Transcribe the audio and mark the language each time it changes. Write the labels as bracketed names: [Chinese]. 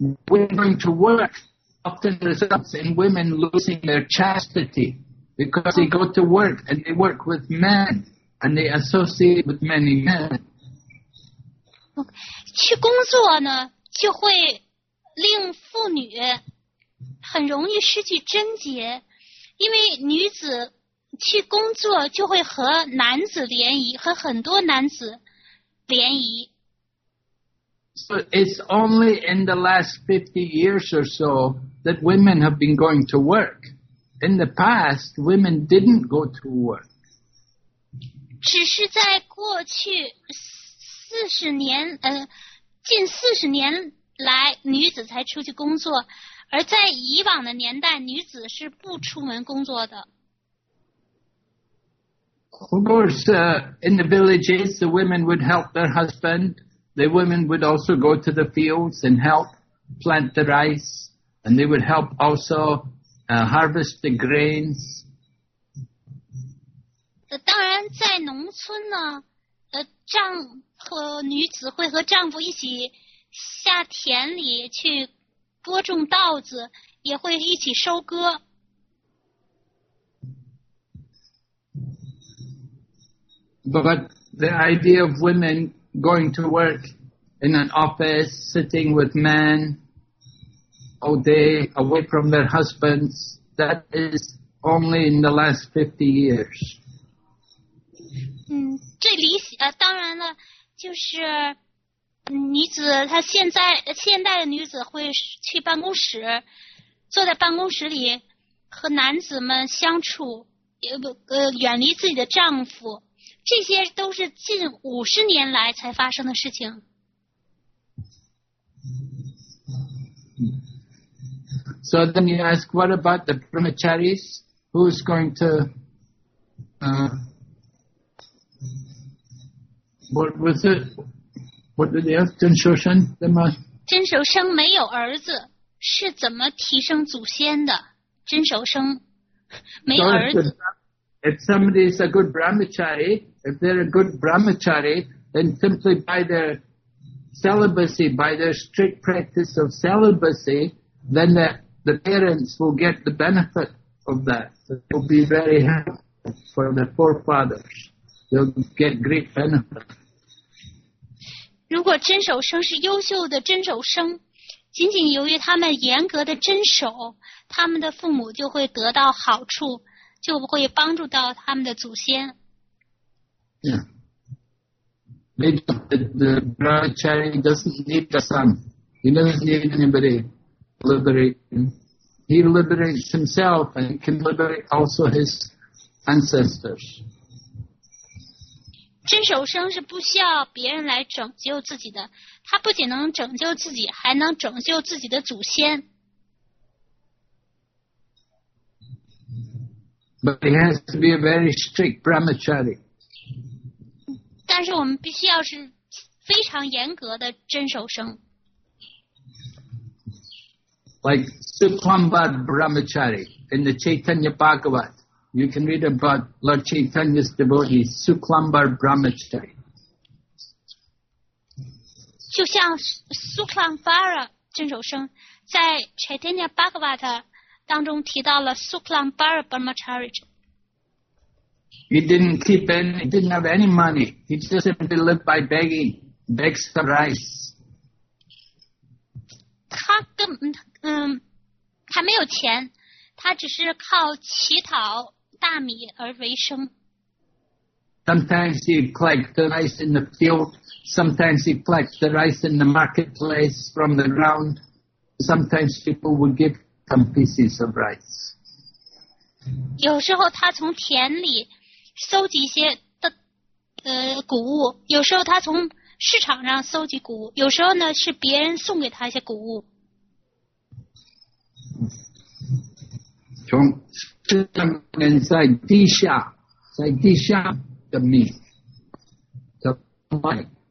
[English] We're going to work often results in women losing their chastity because they go to work and they work with men and they associate with many men. [Chinese] Okay. 去工作呢就会令妇女很容易失去贞洁，因为女子去工作就会和男子联谊，和很多男子联谊。 [English] So it's only in the last 50 years or so that women have been going to work. In the past, women didn't go to work. [Chinese] 只是在过去近四十年来女子才出去工作，而在以往的年代女子是不出门工作的。 [English] Of course, in the villages the women would help their husband. The women would also go to the fields and help plant the rice, and they would help also harvest the grains. [Chinese] 当然在农村呢，丈夫女子会和丈夫一起下田里去播种稻子，也会一起收割。 [English] But the idea of women going to work in an office, sitting with men all day away from their husbands, that is only in the last 50 years. [Chinese] 最理想当然了，就是女子她现代的女子会去办公室，坐在办公室里和男子们相处，远离自己的丈夫，这些都是近50年来才发生的事情。 [English] So then you ask, what about the brahmacharis? Who's going to, what was it? What did they ask? [Chinese] 真守生的吗？真守生没有儿子，是怎么提升祖先的？真守生没有儿子。 [English] If somebody is a good brahmachari, if they're a good brahmachari, then simply by their celibacy, by their strict practice of celibacy, then the parents will get the benefit of that. It will be very helpful for the forefathers. They'll get great benefit. [Chinese] 如果真守生是优秀的真守生，仅仅由于他们严格的真守，他们的父母就会得到好处，就会帮助到他们的祖先。 [English] Yeah. Maybe the brahmachari doesn't need a son. He doesn't need anybody to liberate him. He liberates himself and can liberate also his ancestors. [Chinese] 真守生是不需要别人来拯救自己的，他不仅能拯救自己，还能拯救自己的祖先。 [English] But he has to be a very strict brahmachari. [Chinese] 但是我们必须要是非常严格的真守生。 [English] Like Supambad Brahmachari in the Chaitanya Bhagavat. You can read about Lord Chaitanya's devotee, Suklambar Brahmachari. [Chinese] 就像 Suklambara 真守生在 Chaitanya Bhagavat 当中提到了 Suklambara Brahmachari. [English] He didn't keep any, he didn't have any money. He just simply lived by begging, begs for rice. [Chinese] 他根本他没有钱，他只是靠乞讨大米而为生。 [English] Sometimes he collects the rice in the field, sometimes he collects the rice in the marketplace from the ground, sometimes people would give some pieces of rice. [Chinese] 有时候他从田里搜集一些的谷物，有时候他从市场上搜集谷物，有时候呢是别人送给他一些谷物。从市场人在地下，在地下的米，在卖。